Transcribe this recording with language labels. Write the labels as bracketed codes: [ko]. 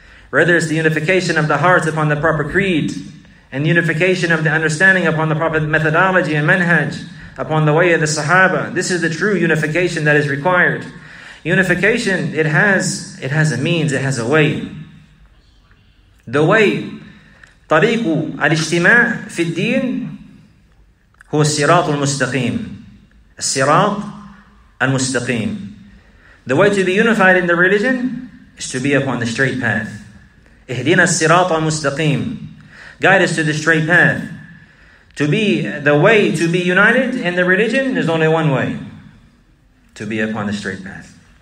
[en] Rather, it's the unification of the hearts upon the proper creed and the unification of the understanding upon the proper methodology and manhaj upon the way of the Sahaba. This is the true unification that is required. Unification, it has a means, it has a way. The way, [ar] طريق الاجتماع في الدين هو الصراط المستقيم. الصراط المستقيم. [en] The way to be unified in the religion is to be upon the straight path. [ar] اهدنا الصراط المستقيم. [en] Guide us to the straight path. To be, the way to be united in the religion, there's only one way. To be upon the straight path.